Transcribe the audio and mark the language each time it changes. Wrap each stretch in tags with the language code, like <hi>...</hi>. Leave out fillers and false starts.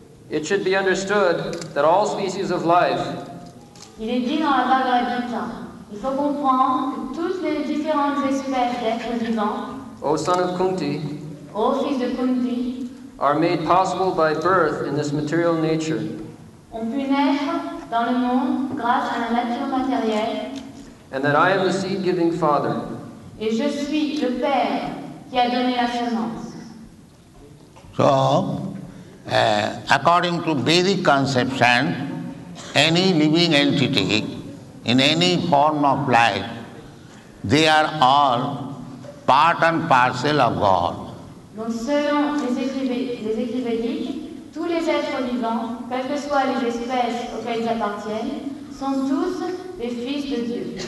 <en>It should be understood that all species of life.</en> <fr>Il est dit dans la Bhagavad Gita. Il faut comprendre que toutes les différentes espèces d'êtres vivants.</fr> <en>O son of Kunti.</en> <fr>O fils de Kunti.</fr> <en>Are made possible by birth in this material nature.</en> <fr>On peut naître dans le monde grâce à la nature matérielle.</fr> <en>And that I am the seed-giving father.</en> <fr>Et je suis le père qui a donné la semence.</fr> <en>So. According to Vedic conception, any living entity in any form of life, they are all part and parcel of God.</en> <fr>Donc selon les écrits védiques, tous les êtres vivants, quelles que soient les espèces auxquelles ils appartiennent, sont tous les fils de Dieu.</fr>